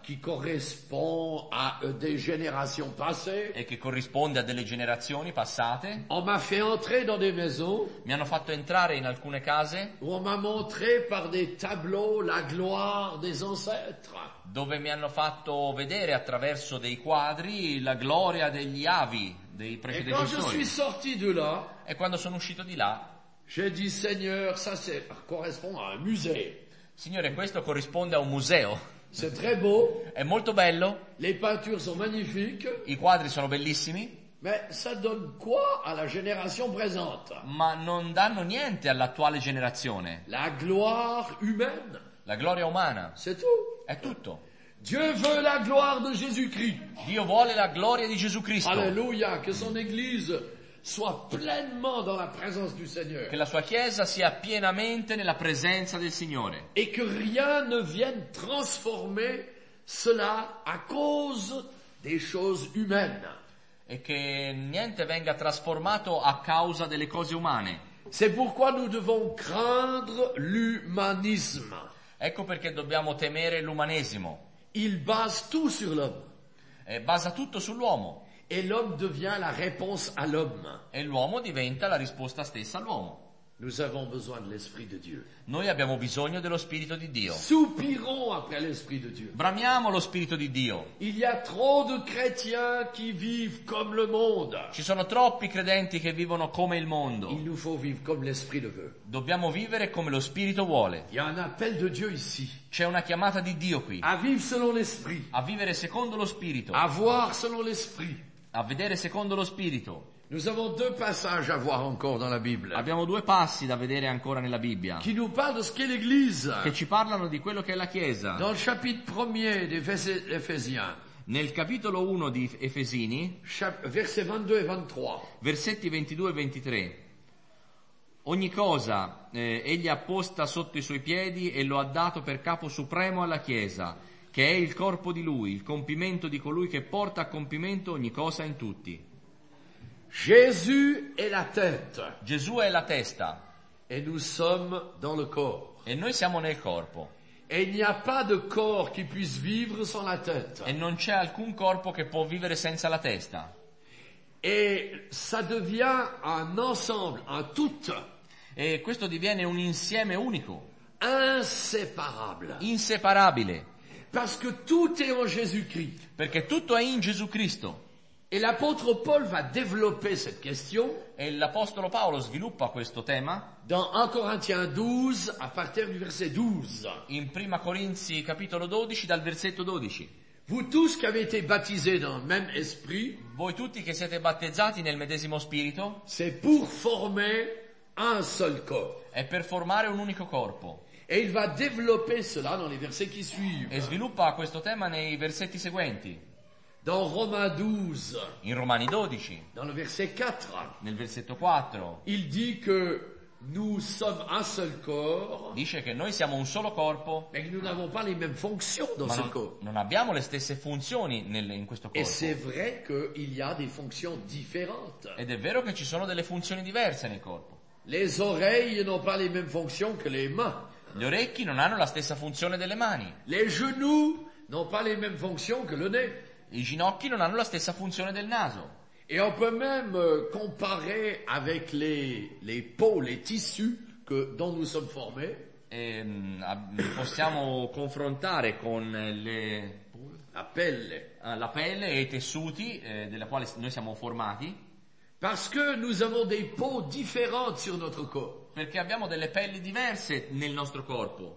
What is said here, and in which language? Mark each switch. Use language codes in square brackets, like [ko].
[fr] qui correspond à des générations passées, [it] e che corrisponde a delle generazioni passate. [fr] On m'a fait entrer dans des maisons, [it] mi hanno fatto entrare in alcune case, [fr] où on m'a montré par des tableaux la gloire des ancêtres, [it] dove mi hanno fatto vedere attraverso dei quadri la gloria degli avi, dei precedenti. [fr] Et quand je suis sorti de là, [it] e quando sono uscito di là, [fr] j'ai dit, Seigneur, ça c'est, correspond à un musée. [it] Signore, questo corrisponde a un museo. [fr] C'est très beau. [it] È molto bello. [fr] Les peintures sont magnifiques. [it] I quadri sono bellissimi. [fr] Mais ça donne quoi à la génération présente? [it] Ma non danno niente all'attuale generazione. [fr] La gloire humaine. [it] La gloria umana. [fr] C'est tout. [it] È tutto. [fr] Dieu veut la gloire de Jésus-Christ. [it] Dio vuole la gloria di Gesù Cristo. [fr] Alléluia, que son église soit pleinement dans la présence du Seigneur. [it] Che la sua chiesa sia pienamente nella presenza del Signore. [fr] Et que rien ne vienne transformer cela à cause des choses humaines. [it] E che niente venga trasformato a causa delle cose umane. [fr] C'est pourquoi nous devons craindre l'humanisme. [it] Ecco perché dobbiamo temere l'umanesimo. [fr] Il base tout sur l'homme. [it] E basa tutto sull'uomo. [fr] Et l'homme devient la réponse à l'homme. [it] E l'uomo diventa la risposta stessa all'uomo. [fr] Nous avons besoin de l'esprit de Dieu. [it] Noi abbiamo bisogno dello spirito di Dio. [fr] Soupirons après l'esprit de Dieu. [it] Bramiamo lo spirito di Dio. [fr] Il y a trop de chrétiens qui vivent comme le monde. [it] Ci sono troppi credenti che vivono come il mondo. [fr] Il nous faut vivre comme l'esprit le veut. [it] Dobbiamo vivere come lo spirito vuole. [fr] Il y a un appel de Dieu ici. [it] C'è una chiamata di Dio qui. [fr] À vivre selon l'esprit. [it] A vivere secondo lo spirito. [fr] À voir selon l'esprit. [it] A vedere secondo lo spirito. [fr] Nous avons deux passages à voir encore dans la Bible. [it] Abbiamo due passi da vedere ancora nella Bibbia. [fr] Qui nous parle de ce qu'est l'Église. [it] Che ci parlano di quello che è la Chiesa. [fr] Dans le chapitre premier d'Ephésiens. [it] Nel capitolo 1 di Efesini. [fr] Versets 22 et 23. [it] Versetti 22 e 23. Ogni cosa egli ha posta sotto i suoi piedi e lo ha dato per capo supremo alla Chiesa, che è il corpo di lui, il compimento di colui che porta a compimento ogni cosa in tutti. Gesù è la tête. Gesù è la testa. [fr] Et nous sommes dans le corps. [it] E noi siamo nel corpo. [fr] Et il n'y a pas de corps qui puisse vivre sans la tête. [it] E non c'è alcun corpo che può vivere senza la testa. [fr] Et ça devient un ensemble, un tout. [it] E questo diviene un insieme unico. [fr] Inséparable. [it] Inseparabile. [fr] Parce que tout est en Jésus-Christ. [it] Perché tutto è in Gesù Cristo. [fr] Et l'apôtre Paul va développer cette question. [it] E l'apostolo Paolo sviluppa questo tema. [fr] Dans 1 Corinthiens 12, à partir du verset 12. [it] In Prima Corinzi capitolo 12 dal versetto 12. [fr] Vous tous qui avez été baptisés dans le même esprit. [it] Voi tutti che siete battezzati nel medesimo spirito. [fr] C'est pour former un seul corps. [it] È per formare un unico corpo. [fr] Et il va développer cela dans les versets qui suivent. [it] E sviluppa questo tema nei versetti seguenti. [fr] Dans Romains 12. [it] In Romani 12. [fr] Dans le verset 4. [it] Nel versetto 4. [fr] Il dit que nous sommes un seul corps. [it] Dice che noi siamo un solo corpo. [fr] Mais nous n'avons pas les mêmes fonctions dans ce corps. [it] Non abbiamo le stesse funzioni in questo corpo. [fr] Et c'est vrai qu'il y a des fonctions différentes. [it] Ed è vero che ci sono delle funzioni diverse nel corpo. [fr] Les oreilles n'ont pas les mêmes fonctions que les mains. [it] Gli orecchi non hanno la stessa funzione delle mani. [fr] Les genoux n'ont pas les mêmes fonctions que le nez. [it] I ginocchi non hanno la stessa funzione del naso. [fr] Et on peut même comparer avec les peaux, les tissus que dont nous sommes formés. [it] E possiamo confrontare con la pelle e i tessuti della quale noi siamo formati. [fr] Parce que nous avons des peaux différentes sur notre corps. [it] Perché abbiamo delle pelli diverse nel nostro corpo.